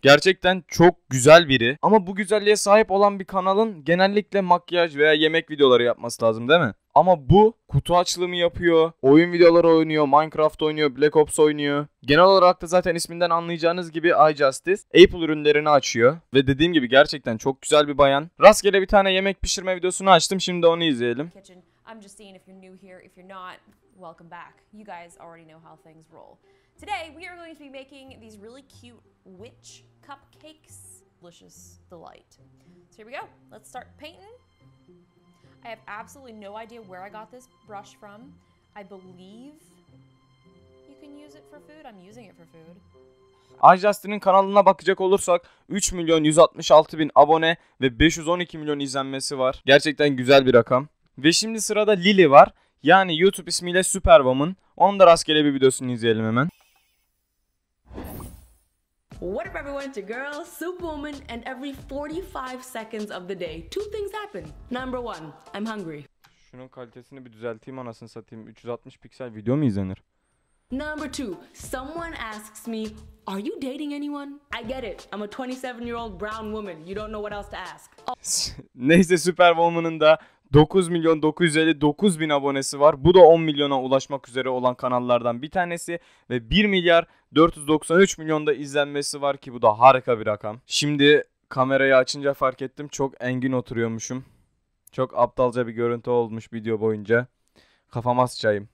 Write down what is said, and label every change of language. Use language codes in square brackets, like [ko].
[tr] Gerçekten çok güzel biri. Ama bu güzelliğe sahip olan bir kanalın genellikle makyaj veya yemek videoları yapması lazım değil mi? Ama bu kutu açılımı yapıyor, oyun videoları oynuyor, Minecraft oynuyor, Black Ops oynuyor. Genel olarak da zaten isminden anlayacağınız gibi iJustice Apple ürünlerini açıyor. Ve dediğim gibi gerçekten çok güzel bir bayan. Rastgele bir tane yemek pişirme videosunu açtım. Şimdi onu izleyelim. [en] I'm just seeing if you're new here, if you're not, welcome back. You guys already know how things roll. Today we are going to be making these really cute witch cupcakes. Delicious delight. So here we go. Let's start painting. I have absolutely no idea where I got this brush from. I believe you can use it for food. I'm using it for food. [tr] iJustin'in kanalına bakacak olursak 3 milyon 166 bin abone ve 512 milyon izlenmesi var. Gerçekten güzel bir rakam. Ve şimdi sırada Lily var. Yani YouTube ismiyle Superwoman. Onun da rastgele bir videosunu izleyelim hemen. [en] What up everyone, it's your girl, Superwoman, and every 45 seconds of the day, two things happen. Number one, I'm hungry. [tr] Şunun kalitesini bir düzelteyim anasını satayım. 360 piksel video mu izlenir? [en] Number two, someone asks me, are you dating anyone? I get it, I'm a 27-year-old brown woman, you don't know what else to ask. [tr] Neyse, Superwoman'ın da 9 milyon 959 bin abonesi var. Bu da 10 milyona ulaşmak üzere olan kanallardan bir tanesi. Ve 1 milyar 493 milyonda izlenmesi var ki bu da harika bir rakam. Şimdi kamerayı açınca fark ettim çok engin oturuyormuşum. Çok aptalca bir görüntü olmuş video boyunca. Kafama sıçayım.